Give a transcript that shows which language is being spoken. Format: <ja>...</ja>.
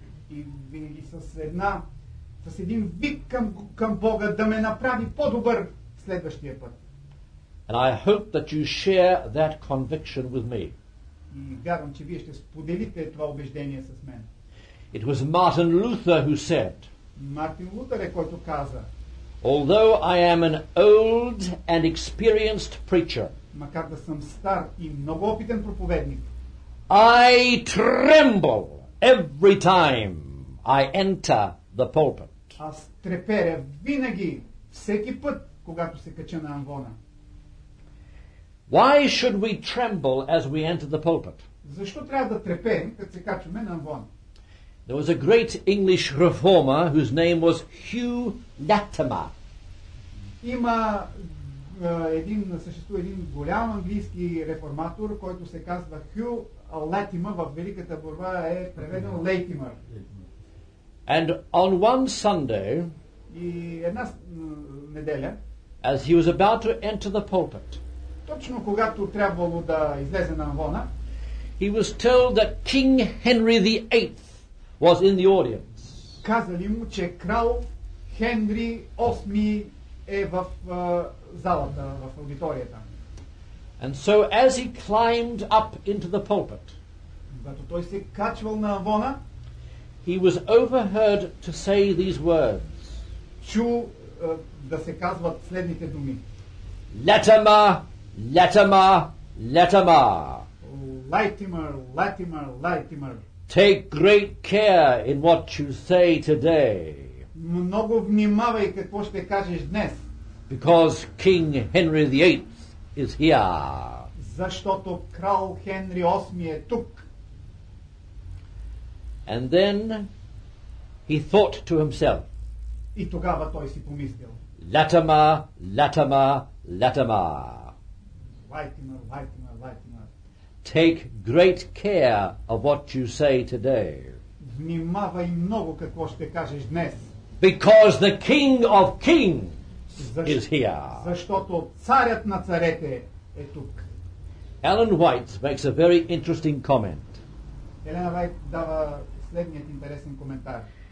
<bg>И винаги с един вик към Бога да ме направи по-добър следващия път.</bg> <en>And I hope that you share that conviction with me.</en> <bg>И вярвам, че вие ще споделите това убеждение с мен.</bg> <en>It was Martin Luther who said,</en> <bg>Мартин Лутър е който каза,</bg> <en>although I am an old and experienced preacher,</en> <bg>макар да съм стар и много опитен проповедник,</bg> <en>I tremble every time I enter the pulpit.</en> <bg>Аз треперя винаги, всеки път, когато се кача на амвона.</bg> <en>Why should we tremble as we enter the pulpit?</en> <bg>Защо трябва да треперим, като се качваме на амвона?</bg> <en>There was a great English reformer whose name was Hugh Latimer.</en> <bg>Има един съществува един голям английски реформатор, който се казва Hugh Latimer във великата борба е преведено Latimer.</bg> <en>And on one Sunday,</en> <bg>и една неделя,</bg> <en>as he was about to enter the pulpit,</en> <bg>точно когато трябвало да излезе навона,</bg> <en>he was told that King Henry VIII was in the audience.</en> <bg>Казали му, че крал Хенри VIII е в залата, в аудиторията.</bg> <en>And so as he climbed up into the pulpit,</en> <bg>когато той се качвал на авона,</bg> <en>he was overheard to say these words.</en> <bg>Чу да се казват следните думи.</bg> <en>Latimer, Latimer, Latimer.</en> <bg>Latimer, Latimer, Latimer.</bg> <en>Take great care in what you say today.</en> <bg>Много внимавай какво ще кажеш днес.</bg> <en>Because King Henry VIII is here.</en> <bg>Защото крал Хенри VIII е тук.</bg> <en>And then he thought to himself.</en> <bg>И тогава той си помислил.</bg> <en>Latimer, Latimer, Latimer.</en> <bg>Latimer, Latimer, Latimer.</bg> <en>Take great care of what you say today.</en> <bg>Внимавай много какво ще кажеш днес.</bg> <en>Because the King of Kings is here.</en> <bg>Защото царят на царете е тук.</bg> <en>Ellen White makes a very interesting comment.</en> <bg>Елена Вайт дава следният интересен коментар.</bg>